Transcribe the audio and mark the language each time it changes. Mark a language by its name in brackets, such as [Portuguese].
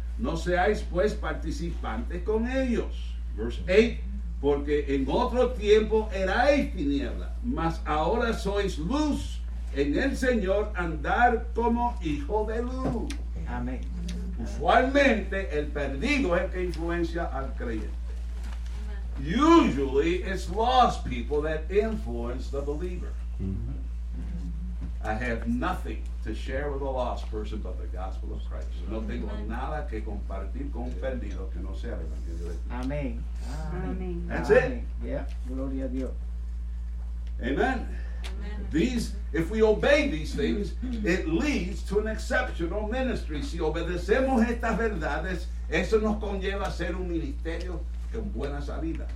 [Spanish] No seáis pues participantes con ellos. [English] Verse 8. [Spanish] Porque en otro tiempo erais tiniebla, mas ahora sois luz en el Señor, andar como hijo de luz. Amén. Usualmente el perdido es el que influencia al creyente. [English] Usually it's lost people that influence the believer. I have nothing to share with a lost person but the gospel of Christ. [Spanish] No tengo nada que compartir con perdido que no sea el evangelio de Cristo. Amén. [English] That's Amen. It. [Spanish] Yeah. Gloria a Dios. [English] Amen. Amen. These, if we obey these things, it leads to an exceptional ministry. [Spanish] Si obedecemos estas verdades, eso nos conlleva a ser un ministerio con buena salida.